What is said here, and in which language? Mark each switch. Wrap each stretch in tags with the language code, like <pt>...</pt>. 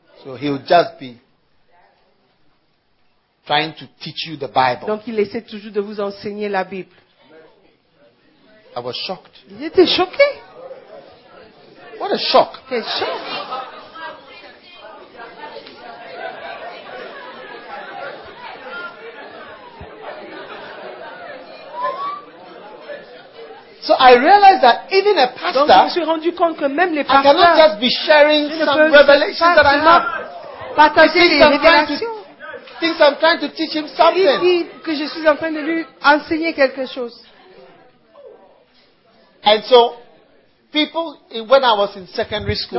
<en>So he would just be trying to teach you the Bible.</en> <fr>Donc il essaie toujours de vous enseigner la Bible.</fr> <en>I was shocked.</en> <fr>Il était choqué.</fr> <en>What a shock.</en> <fr>Quel choc.</fr> <en>So I realized that even a pastor,</en> <fr>donc je me suis rendu compte que même les pasteurs,</fr> <en>I cannot just be sharing some revelations that I have.</en> <fr>Partager les révélations. Il dit que je suis en train de lui enseigner quelque chose.</fr> <en>And so, people, when I was in secondary school,</en>